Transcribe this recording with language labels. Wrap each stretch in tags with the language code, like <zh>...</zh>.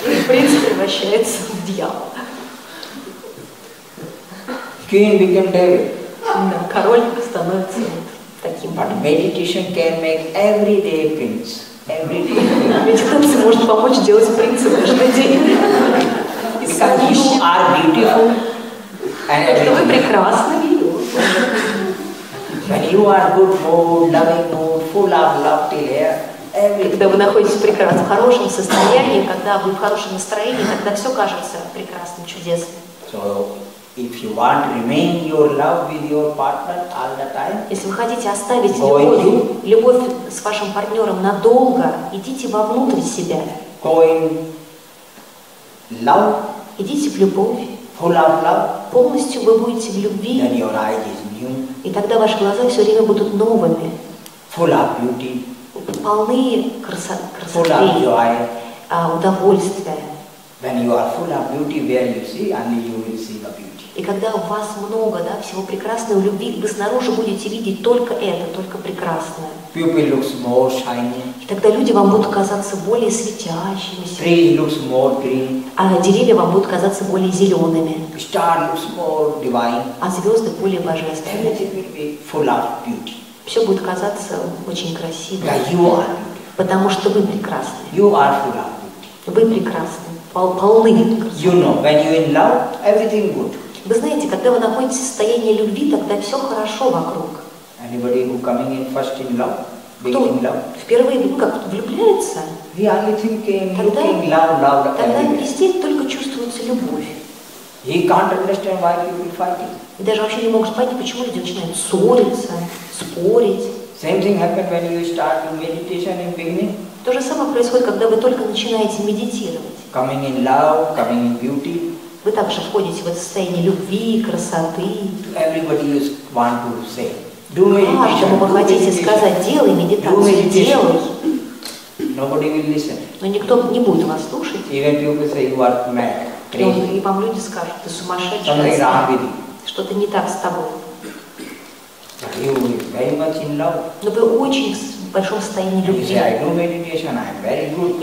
<ru>Принц превращается в дьявол.</ru> <en>Queen become devil.</en> <ru>Да, король становится вот таким.</ru> <en>But meditation can make every day prince. Every day.</en> <ru>Медитация может помочь делать принца каждый день.</ru> <en>Because you are beautiful.</en> <ru>Что вы прекрасны.</ru> <en>When you are good mood, loving mood, full of love till here,</en> <ru>когда вы находитесь прекрасно, в хорошем состоянии, когда вы в хорошем настроении, тогда все кажется прекрасным, чудесным.</ru> <en>So, if you want to remain your love with your partner all the time,</en> <ru>если вы хотите оставить любовь с вашим партнером надолго, идите вовнутрь себя.</ru> <en>Go in love.</en> <ru>Идите в любовь.</ru> <en>Full of love.</en> <ru>Полностью вы будете в любви.</ru> <en>Then your eyes is new.</en> <ru>И тогда ваши глаза все время будут новыми.</ru> <en>Full of beauty.</en> <ru>Полны красоты.</ru> <en>Full of joy.</en> <ru>Удовольствия.</ru> <en>When you are full of beauty, where you see, only you will see the beauty.</en> <ru>И когда у вас много, да, всего прекрасного в любви, вы снаружи будете видеть только это, только прекрасное.</ru> <en>People looks more shiny.</en> <ru>И тогда люди вам будут казаться более светящимися.</ru> <en>Trees looks more green.</en> <ru>А деревья вам будут казаться более зелеными.</ru> <en>Star looks more divine.</en> <ru>А звезды более божественными.</ru> <en>Everything will be full of beauty.</en> <ru>Все будет казаться очень красивым.</ru> <en>Yeah, you are beautiful.</en> <ru>Потому что вы прекрасны.</ru> <en>You are full of beauty.</en> <ru>Вы прекрасны. Полны красоты.</ru> <en>You know, when you're in love, everything good.</en> <ru>Вы знаете, когда вы находитесь в состоянии любви, тогда все хорошо вокруг.</ru> <en>Anybody who coming in first in love, being in love.</en> <ru>Кто впервые как-то влюбляется?</ru> <en>We are thinking, looking, love, love.</en> <ru>Тогда везде только чувствуется любовь.</ru> <en>He can't understand why people fighting.</en> <ru>И даже вообще не может понять, почему люди начинают ссориться, спорить.</ru> <en>Same thing happened when you start meditation in beginning.</en> <ru>То же самое происходит, когда вы только начинаете медитировать.</ru> <en>Coming in love, coming in beauty.</en> <ru>Вы также входите в это состояние любви, красоты.</ru> <en>Everybody is want to say. Do</en> <ru>каждому вы хотите</ru> <en>do</en> <ru>сказать, делай медитацию, делай.</ru> <en>Nobody will listen.</en> <ru>Но никто не будет вас слушать.</ru> <en>Even people say you are mad, crazy.</en> <ru>И вам люди скажут, ты сумасшедший, что-то не так с тобой.</ru> <en>But you will be very much in love.</en> <ru>Но вы очень в большом состоянии любви.</ru> <en>You say, I do meditation, I am very good.</en>